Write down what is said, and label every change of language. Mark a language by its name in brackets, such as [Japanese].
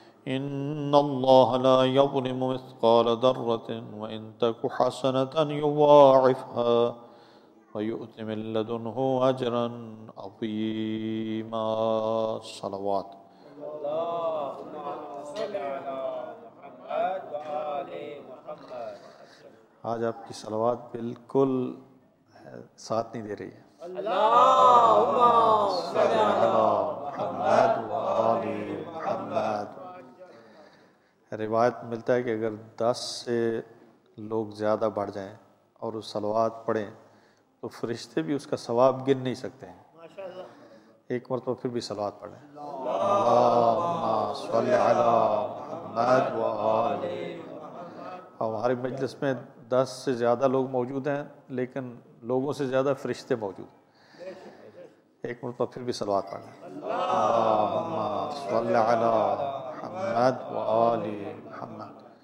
[Arabic] إن الله لا يظلم مثقال ذرة وإن تك حسنة يضاعفها ويؤت من لدنه أجرا عظيما. صلوات. اللهم صل على محمد وآل محمد. [Urdu] آج آپ کی صلوات بالکل ساتھ نہیں دے رہی ہے. [Arabic] اللهم صل على محمد وآل محمد. [Urdu] روایت ملتا ہے کہ اگر 10 سے لوگ زیادہ بڑھ جائیں اور اس صلوات پڑھیں تو فرشتے بھی اس کا ثواب گن نہیں سکتے ہیں. ایک مرتبہ پھر بھی صلوات پڑھیں. [Arabic] اللهم صل على محمد وآل محمد. [Urdu] ہماری مجلس میں 10 سے زیادہ لوگ موجود ہیں لیکن لوگوں سے زیادہ فرشتے موجود ہیں. ایک مرتبہ پھر بھی صلوات پڑھ لیں. [Arabic] اللهم صل علی محمد وآل محمد.